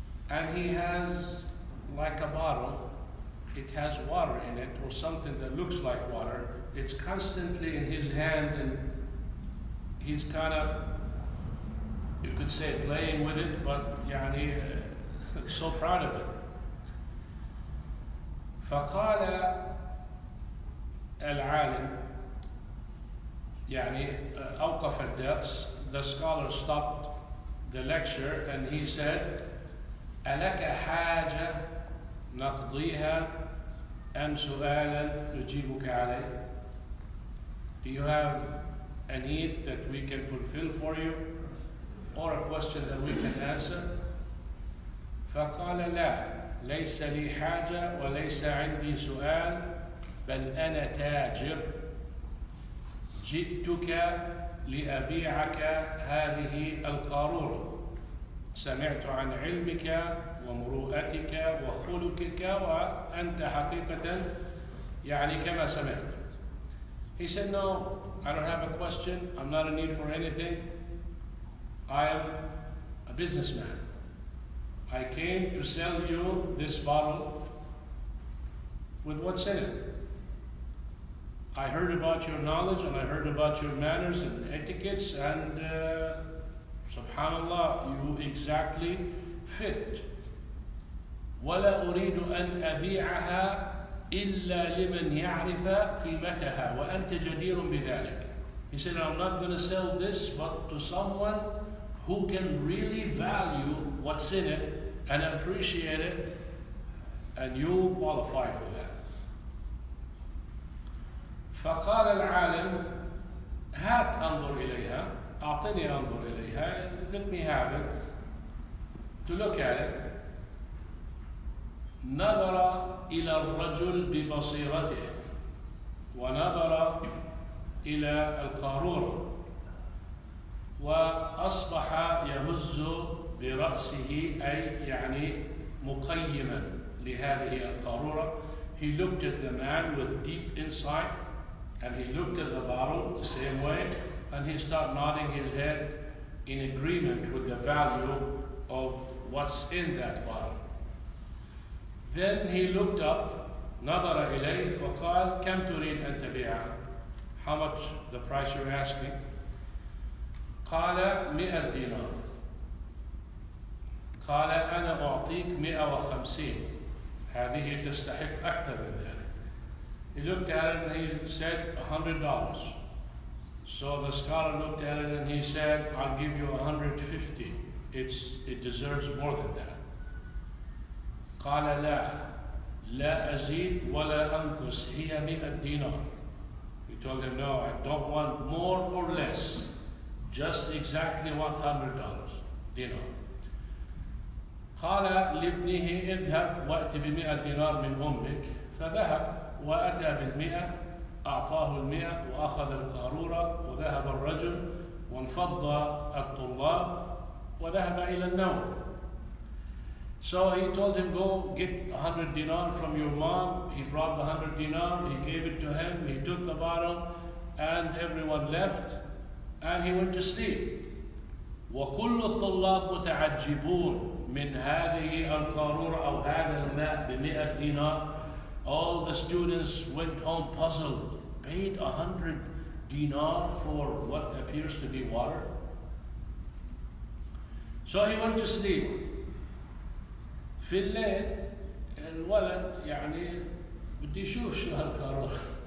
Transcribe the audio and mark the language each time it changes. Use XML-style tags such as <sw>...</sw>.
<en>And he has like a bottle, it has water in it or something that looks like water. It's constantly in his hand and he's kind of, you could say, playing with it, but yani, so proud of it.</en> <ar>فقال العالم يعني أوقف الدرس.</ar> <en>The scholar stopped the lecture and he said,</en> <ar>ألك حاجة نقضيها أم سؤالا نجيبك عليه؟</ar> <en>Do you have a need that we can fulfill for you or a question that we can answer?</en> <ar>فقال لا، ليس لي حاجة وليس عندي سؤال، بل أنا تاجر، جئتك لأبيعك هذه القارورة، سمعت عن علمك ومرؤتك وخلقك وأنت حقيقة يعني كما سمعت.</ar> <en>He said, no, I don't have a question, I'm not in need for anything, I'm a businessman. I came to sell you this bottle with what's in it. I heard about your knowledge and I heard about your manners and etiquettes, and subhanAllah, you exactly fit.</en> <ar>ولا أريد أن أبيعها إلا لمن يعرف قيمتها وأنت جدير بذلك.</ar> <en>He said, I'm not going to sell this but to someone who can really value what's in it and appreciate it, and you qualify for that.</en> <ar>فقال العالم هات أنظر إليها، أعطني أنظر إليها،</ar> <en>let me have it to look at it.</en> <ar>نظر إلى الرجل ببصيرته ونظر إلى القارورة وأصبح يهز برأسه، أي يعني مقيما لهذه القارورة.</ar> <en>He looked at the man with deep insight And he looked at the bottle the same way, and he started nodding his head in agreement with the value of what's in that bottle. Then he looked up,</en> <ar>نظر إليه وقال كم تريد أن تبيعه.</ar> <en>How much the price you're asking?</en> <ar>قال 100 دينار. قال أنا أعطيك 150. هذه تستحق أكثر من ذلك.</ar> <en>He looked at it and he said $100. So the scholar looked at it and he said, I'll give you 150. It deserves more than that.</en> <ar>قال لا لا أزيد ولا أنقص هي 100 دينار.</ar> <en>He told him, no, I don't want more or less. Just exactly $100 dinar.</en> <ar>قال لابنه اذهب وأت بمئة دينار من أمك. فذهب وأتى بالمئة أعطاه المئة وأخذ القارورة وذهب الرجل وانفض الطلاب وذهب إلى النوم.</ar> <en>So he told him, go get 100 dinar from your mom. He brought the 100 dinar, he gave it to him, he took the bottle, and everyone left, and he went to sleep.</en> <ar>وكل الطلاب متعجبون من هذه القارورة أو هذا الماء بمئة دينار.</ar> <en>All the students went home puzzled. Paid 100 dinar for what appears to be water. So he went to sleep.</en> <ar>في الليل الولد يعني بدي يشوف شو هالقارورة.</ar>